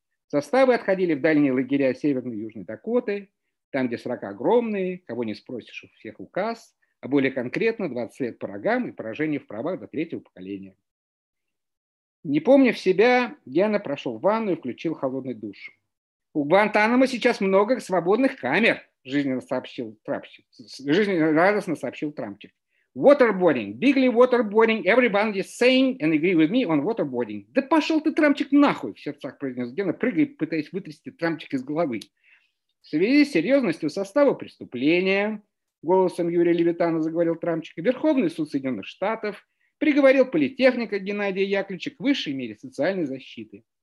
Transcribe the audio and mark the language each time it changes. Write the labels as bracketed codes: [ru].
[ru] Составы отходили в дальние лагеря Северной и Южной Дакоты, там, где срока огромные, кого не спросишь, у всех указ, а более конкретно 20 лет по рогам и поражение в правах до третьего поколения. Не помнив себя, Гена прошел в ванну и включил холодный душ. «У Гуантанамо сейчас много свободных камер», жизнерадостно сообщил Трампчик. [en] «Waterboarding, bigly waterboarding, everybody is saying and agree with me on waterboarding». [ru] «Да пошел ты, Трампчик, нахуй!» – в сердцах произнес Гена, прыгая, пытаясь вытрясти Трампчик из головы. «В связи с серьезностью состава преступления», – голосом Юрия Левитана заговорил Трампчик, «Верховный суд Соединенных Штатов приговорил политехника Геннадия Яковлевича к высшей мере социальной защиты».